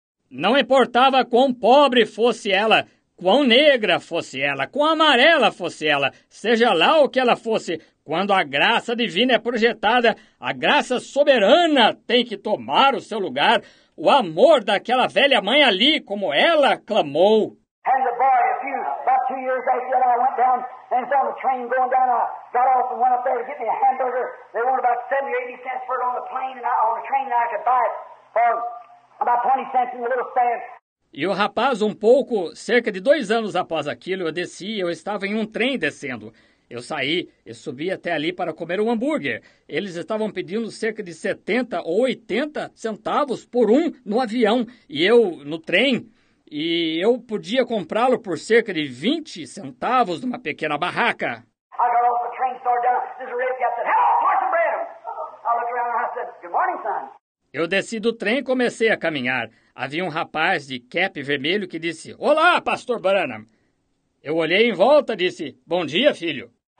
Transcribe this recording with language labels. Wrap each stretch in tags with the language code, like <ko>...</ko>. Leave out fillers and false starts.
<pt>Não importava quão pobre fosse ela, quão negra fosse ela, quão amarela fosse ela, seja lá o que ela fosse, quando a graça divina é projetada, a graça soberana tem que tomar o seu lugar, o amor daquela velha mãe ali, como ela clamou.</pt> <en>And the boy, a few, about 2 years after that, I went down and saw the train going down. I got off and went up there to get me a hamburger. They wanted about 70 or 80 cents for it on the plane, and on the train, and I could buy it for about 20 cents in the little stand.</en> <pt>E o rapaz, um pouco, cerca de 2 anos após aquilo, eu desci, eu estava em um trem descendo. Eu saí e subi até ali para comer um hambúrguer. Eles estavam pedindo cerca de 70 ou 80 centavos por um no avião. E eu, no trem, e eu podia comprá-lo por cerca de 20 centavos numa pequena barraca.</pt> <en>I got off the train, started down. This is Red Captain. Hello, Parson Brown. I looked around and I said, good morning, son.</en> <pt>Eu desci do trem e comecei a caminhar. Havia um rapaz de cap vermelho que disse, olá, Pastor Branham. Eu olhei em volta e disse, bom dia, filho.</pt>